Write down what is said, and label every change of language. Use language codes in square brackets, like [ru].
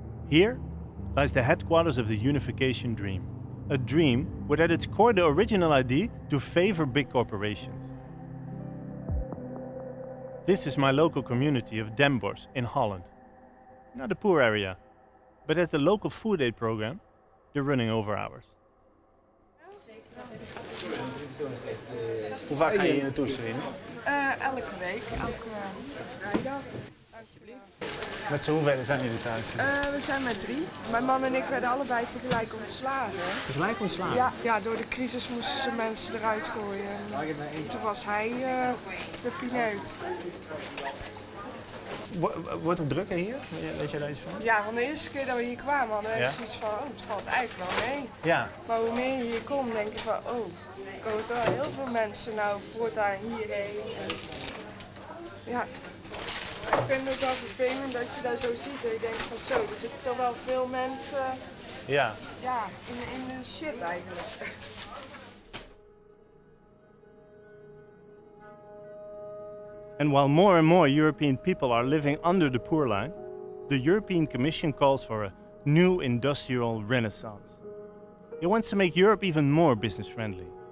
[en] Here lies the headquarters of the unification dream. A dream with at its core the original idea to favor big corporations. This is my local community of Den Bosch in Holland. Not a poor area, but at the local food aid program, they're running over hours. [nl] Hoe vaak ga je hier naartoe, Serena? Elke week, elke vrijdag. Alsjeblieft. Met hoeveel zijn jullie thuis? We zijn met 3. Mijn man en ik werden allebei tegelijk ontslagen. Tegelijk ontslagen? Ja, door de crisis moesten ze mensen eruit gooien. Toen was hij de pineut. Wordt het drukker hier? Weet jij daar iets van? Ja, want de eerste keer dat we hier kwamen, hadden we echt zoiets van, oh, het valt eigenlijk wel mee. Ja. Maar hoe meer je hier komt, denk je van, oh, komen toch wel heel veel mensen nou voortaan hierheen. Ja. Ik vind het wel vervelend dat je daar zo ziet en je denkt van zo, er zitten toch wel veel mensen in de shit eigenlijk. [en] And while more and more European people are living under the poor line, the European Commission calls for a new industrial renaissance. It wants to make Europe even more business friendly.